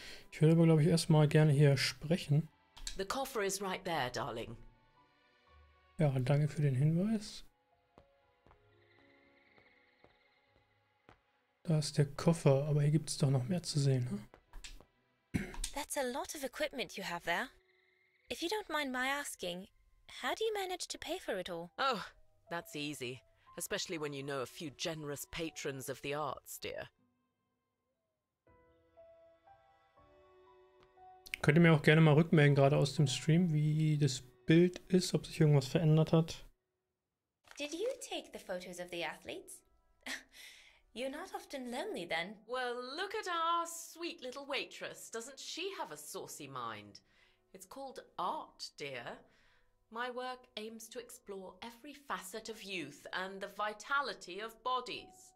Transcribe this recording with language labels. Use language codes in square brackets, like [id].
[de] Ich würde aber, glaube ich, erstmal gerne hier sprechen. [en] The coffer is right there, darling. [de] Ja, danke für den Hinweis. Da ist der Koffer, aber hier gibt es doch noch mehr zu sehen. Huh? [en] That's a lot of equipment you have there. If you don't mind my asking, how do you manage to pay for it all? Oh, that's easy. Especially when you know a few generous patrons of the arts, dear. [de] Könnt ihr mir auch gerne mal rückmelden, gerade aus dem Stream, wie das Bild ist, ob sich irgendwas verändert hat. [en] Did you take the photos of the athletes? You're not often lonely then. Well, look at our sweet little waitress. Doesn't she have a saucy mind? It's called art, dear. My work aims to explore every facet of youth and the vitality of bodies.